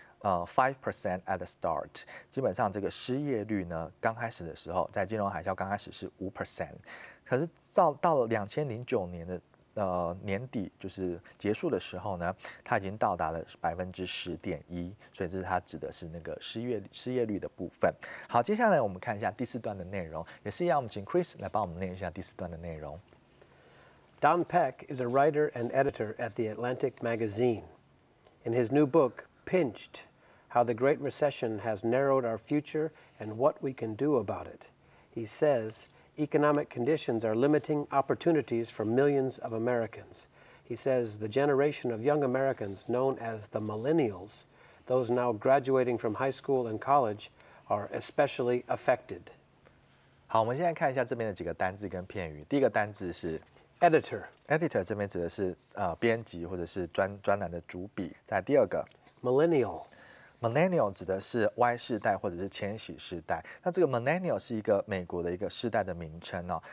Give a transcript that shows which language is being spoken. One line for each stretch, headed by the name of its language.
English: 5% at the start，
Chinese: 基本上这个失业率呢，刚开始的时候，在金融海啸刚开始是 5%， 可是到了2009年的年底，就是结束的时候呢，它已经到达了10.1%，所以这是它指的是那个失业率的部分。好，接下来我们看一下第四段的内容，也是一样，我们请 Chris 来帮我们念一下第四段的内容。
English: Don Peck is a writer and editor at the Atlantic Magazine. In his new book. Pinched, how the Great Recession has narrowed our future and what we can do about it. He says, economic conditions are limiting opportunities for millions of Americans. He says, the generation of young Americans known as the millennials, those now graduating from high school and college, are especially affected.
Chinese: 好，我们现在看一下这边的几个单字跟片语。第一个单字是
English: editor.
Chinese: Editor 这边指的是编辑或者是专栏的主笔。再第二个
English: Millennial
Chinese: 指的是 Y 世代或者是千禧世代，那这个 Millennial 是一个美国的一个世代的名称哦。